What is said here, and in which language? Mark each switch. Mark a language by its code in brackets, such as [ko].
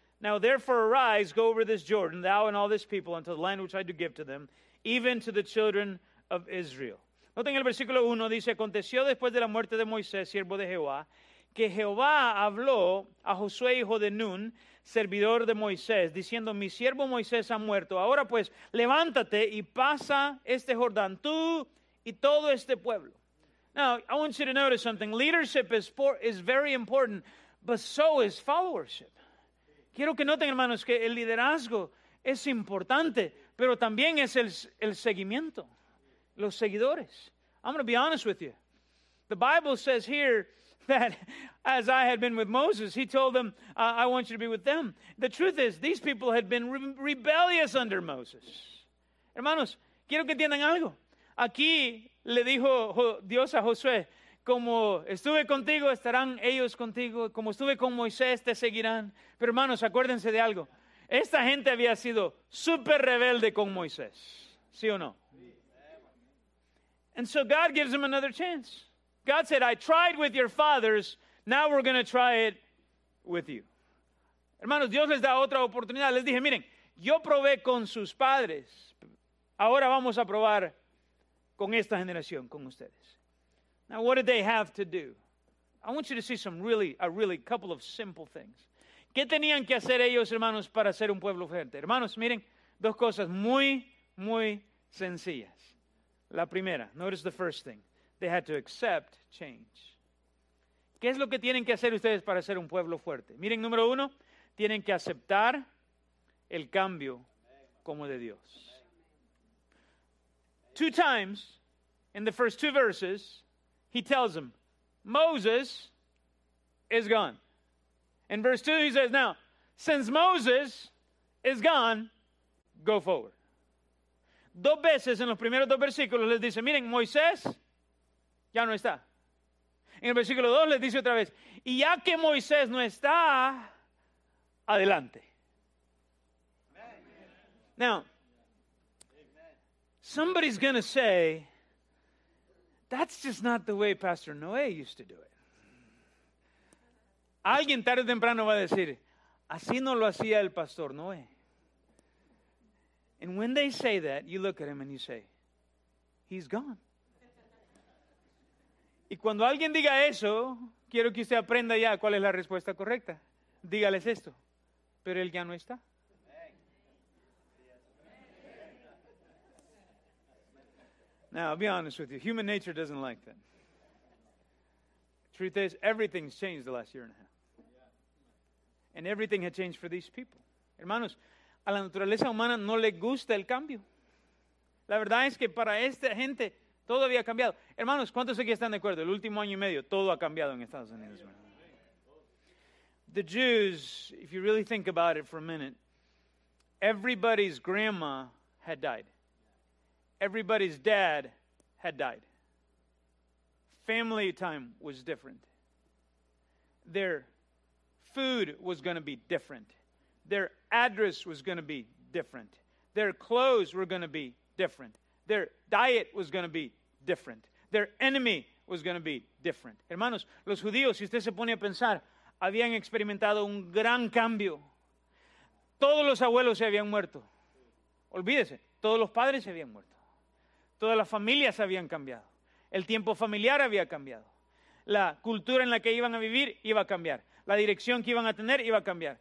[en] Now therefore arise, go over this Jordan, thou and all this people, unto the land which I do give to them, even to the children of Israel. [es] Noten el versículo 1, dice, Aconteció después de la muerte de Moisés, siervo de Jehová, que Jehová habló a Josué, hijo de Nun, servidor de Moisés, diciendo, Mi siervo Moisés ha muerto. Ahora pues, levántate y pasa este Jordán, tú y todo este pueblo. [en] Now, I want you to notice something. Leadership is very important. But so is followership. [es] Quiero que noten, hermanos, que el liderazgo es importante, pero también es el seguimiento, los seguidores. [en] I'm going to be honest with you. The Bible says here that as I had been with Moses, he told them, I want you to be with them. The truth is, these people had been rebellious under Moses. [es] Hermanos, quiero que entiendan algo. Aquí le dijo Dios a Josué, Como estuve contigo, estarán ellos contigo. Como estuve con Moisés, te seguirán. Pero hermanos, acuérdense de algo. Esta gente había sido súper rebelde con Moisés. ¿Sí o no? [en] And so God gives them another chance. God said, I tried with your fathers. Now we're going to try it with you. [es] Hermanos, Dios les da otra oportunidad. Les dije, miren, yo probé con sus padres. Ahora vamos a probar con esta generación, con ustedes. [en] Now, what did they have to do? I want you to see a really couple of simple things. [es] ¿Qué tenían que hacer ellos, hermanos, para ser un pueblo fuerte? Hermanos, miren, dos cosas muy, muy sencillas. La primera, [en] notice the first thing. They had to accept change. [es] ¿Qué es lo que tienen que hacer ustedes para ser un pueblo fuerte? Miren, número uno, tienen que aceptar el cambio como de Dios. [en] Two times, in the first two verses, He tells them, Moses is gone. In verse 2, he says, now, since Moses is gone, go forward. [es] Dos veces en los primeros dos versículos les dice, miren, Moisés ya no está. En el versículo 2 les dice otra vez, y ya que Moisés no está, adelante. [en] Amen. Now, Amen. Somebody's going to say, That's just not the way Pastor Noé used to do it. [es] Alguien tarde o temprano va a decir, así no lo hacía el Pastor Noé. [en] And when they say that, you look at him and you say, he's gone. [es] Y cuando alguien diga eso, quiero que usted aprenda ya cuál es la respuesta correcta. Dígales esto, pero él ya no está. [en] Now, I'll be honest with you. Human nature doesn't like that. Truth is, everything's changed the last year and a half. And everything had changed for these people. [es] Hermanos, a la naturaleza humana no le gusta el cambio. La verdad es que para esta gente todo había cambiado. Hermanos, ¿cuántos aquí están de acuerdo? El último año y medio, todo ha cambiado en Estados Unidos. [en] The Jews, if you really think about it for a minute, everybody's grandma had died. Everybody's dad had died. Family time was different. Their food was going to be different. Their address was going to be different. Their clothes were going to be different. Their diet was going to be different. Their enemy was going to be different. [es] Hermanos, los judíos, si usted se pone a pensar, habían experimentado un gran cambio. Todos los abuelos se habían muerto. Olvídese, todos los padres se habían muerto. Todas las familias habían cambiado. El tiempo familiar había cambiado. La cultura en la que iban a vivir iba a cambiar. La dirección que iban a tener iba a cambiar.